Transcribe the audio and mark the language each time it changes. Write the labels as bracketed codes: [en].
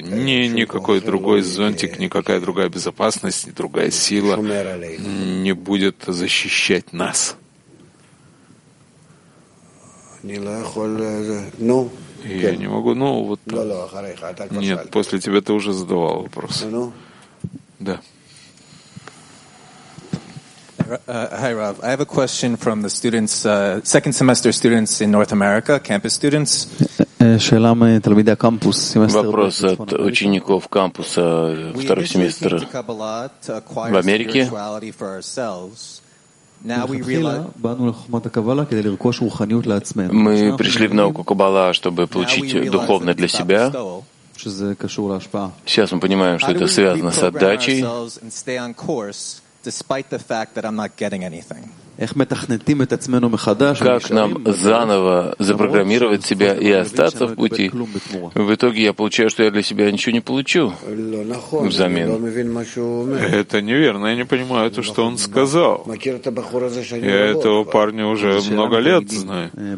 [ru] Ни, никакой другой зонтик, никакая другая безопасность, ни другая сила не будет защищать нас. Я не могу, ну вот... Нет, после тебя ты уже задавал вопрос. Да. [en] Hi, Rav. I have a question from the students, second semester students in North America, campus students. [he] Шела мне тлмида кампус семестр. [ru] Вопрос от учеников кампуса второго семестра в Америке. Мы пришли в науку Каббала, чтобы получить духовное для себя. Сейчас мы понимаем, что это связано с отдачей. [en] Despite the fact that I'm not getting anything. [ru] Как нам заново запрограммировать себя и остаться в пути? В итоге я получаю, что я для себя ничего не получу взамен. Это неверно, я не понимаю то, что он сказал. Я этого парня уже много лет знаю.